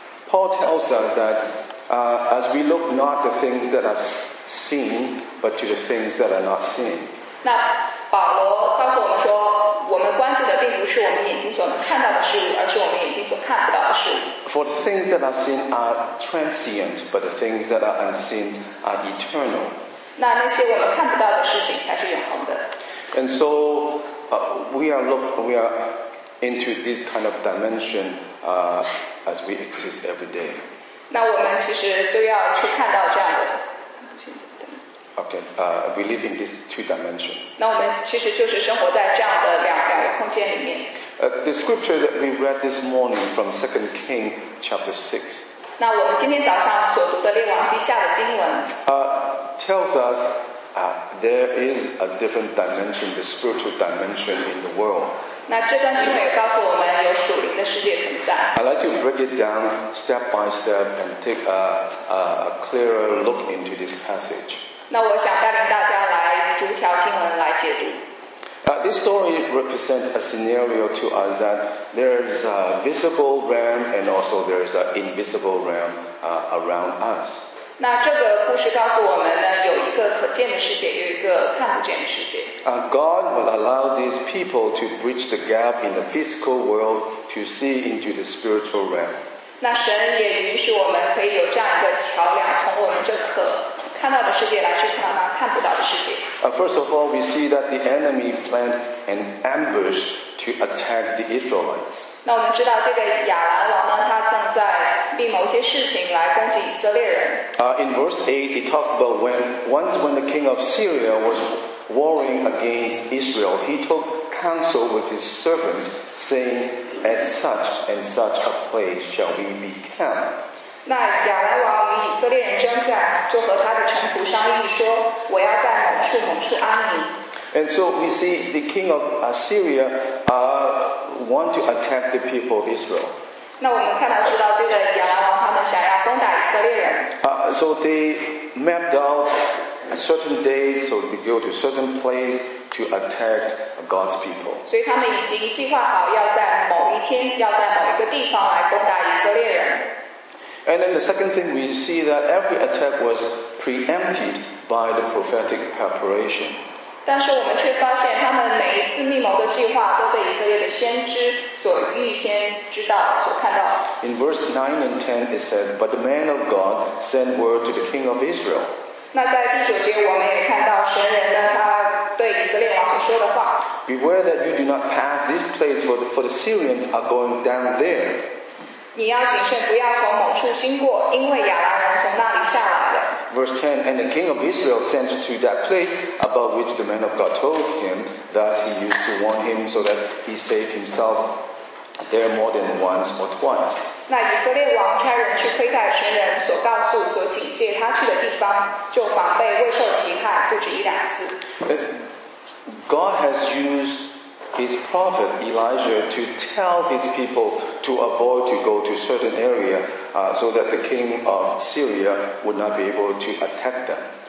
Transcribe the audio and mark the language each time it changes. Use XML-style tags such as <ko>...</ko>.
<en>Paul tells us that as we look not the things that are seen, but to the things that are not seen.</en> <zh>那保罗告诉我们说，我们关注的并不是我们眼睛所能看到的事物，而是我们眼睛所看不到的事物。</zh> <en>For the things that are seen are transient, but the things that are unseen are eternal.</en> <zh>那些我们看不到的事情才是永恒的。</zh> <en>And so we are into this kind of dimension. As we exist every day.</en> <zh>那我们其实都要去看到这样的。</zh> <en>Okay, we live in this two dimension.</en> <zh>那我们其实就是生活在这样的两个空间里面。</zh> <en>The scripture that we read this morning from 2 Kings chapter 6.</en> <zh>那我们今天早上所读的列王记下的经文。</zh> <en>Tells us there is a different dimension, the spiritual dimension in the world.</en> <zh>那这段经文也告诉我们有属灵的世界存在。</zh> <en>I'd like to break it down step by step and take a clearer look into this passage.</en> <zh>那我想带领大家来逐条经文来解读。</zh> <en>This story represents a scenario to us that there is a visible realm and also there is an invisible realm around us.</en> <zh>那这个故事告诉我们呢，有一个可见的世界，有一个看不见的世界。</zh> <en>God will allow these people to bridge the gap in the physical world to see into the spiritual realm.</en> <zh>那神也允许我们可以有这样一个桥梁，从我们这可看到的世界来去看到看不到的世界。</zh> <en>First of all, we see that the enemy planned an ambush to attack the Israelites.</en> <zh>那我们知道这个亚兰王呢，他正在并某些事情来攻击以色列人。</zh> <en>In verse 8, it talks about when the king of Syria was warring against Israel, he took counsel with his servants, saying, "At such and such a place shall we be camped."</en> <zh>那亚兰王与以色列人征战，就和他的臣仆商议说，我要在某处某处安营。</zh> <en>And so we see the king of Assyria want to attack the people of Israel.</en> <zh>那我们看到知道这个亚兰王他们想要攻打以色列人。</zh> <en>So they mapped out a certain day, so they go to a certain place to attack God's people.</en> <zh>所以他们已经计划好要在某一天，要在某一个地方来攻打以色列人。</zh> <en>And then the second thing we see that every attack was preempted by the prophetic preparation.</en> <zh>但是我们却发现他们每一次密谋的计划都被以色列的先知所预先知道所看到。</zh> <en>In verse 9 and 10 it says, But the man of God sent word to the king of Israel.</en> <zh>那在第九节我们也看到神人呢他对以色列王所说的话。</zh> <en>Beware that you do not pass this place for the Syrians are going down there.</en> <zh>你要谨慎，不要从某处经过，因为亚兰人从那里下来了。</zh> <en>Verse 10, and the king of Israel sent to that place about which the man of God told him, thus he used to warn him so that he saved himself there more than once or twice.</en> <zh>那以色列王差人去窥探神人所告诉、所警戒他去的地方，就防备未受其害不止一两次。</zh> <en>God has used. His prophet Elijah to tell his people to avoid to go to certain area, so that the king of Syria would not be able to attack them.</en>